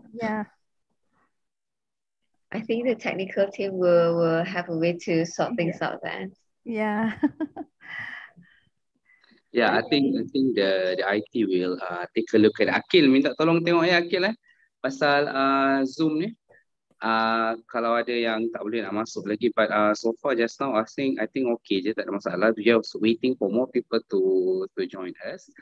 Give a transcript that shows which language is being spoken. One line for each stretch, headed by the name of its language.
English: Yeah. I think the technical team will have a way to sort things out then. Yeah. Yeah, I think the IT will take a look at Akil.
Malay: Minta tolong tengok ya Akil eh. Pasal Zoom ni. Kalau ada yang tak boleh nak masuk lagi.
English: But so far just now, I think okay je.
Malay: Tak ada masalah.
English: We are waiting for more people to join us.